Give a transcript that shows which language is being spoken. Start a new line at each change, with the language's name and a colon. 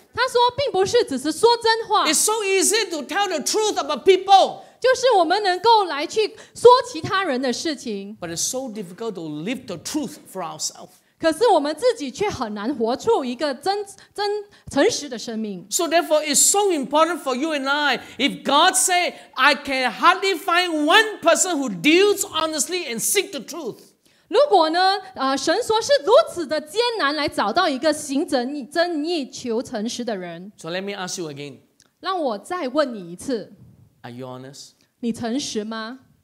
Chinese: 他说并不是只是说真话。
English: It's so easy to tell the truth about people.
Chinese: 就是我们能够来去说其他人的事情。
English: But it's so difficult to live the truth for ourselves.
Chinese: 可是我们自己却很难活出一个真诚实的生命。
English: So therefore, it's so important for you and I. If God say, I can hardly find one person who deals honestly and seek the truth.
Chinese: 如果呢，神说是如此的艰难来找到一个行正义、求诚实的人。
English: So let me ask you again.
Chinese: 让我再问你一次。
English: Are you honest?
Chinese: 你诚实吗